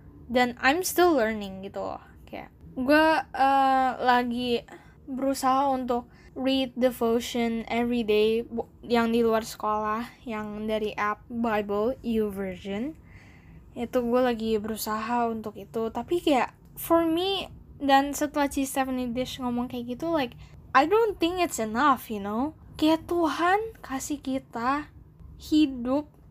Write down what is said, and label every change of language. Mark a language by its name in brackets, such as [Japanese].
[Indonesian] Dan [English] I'm still learning [Indonesian] gitu loh. Kayak gue lagi berusaha untuk [English] read devotion every day [Indonesian] yang di luar sekolah, yang dari app Bible YouVersion. Itu gue lagi berusaha untuk itu. Tapi kayak [English] for me, [Indonesian] dan setelah si Stephanie Dish ngomong kayak gitu, [English] like, I don't think it's enough, you know? [Indonesian] Kayak Tuhan kasih kita hidup.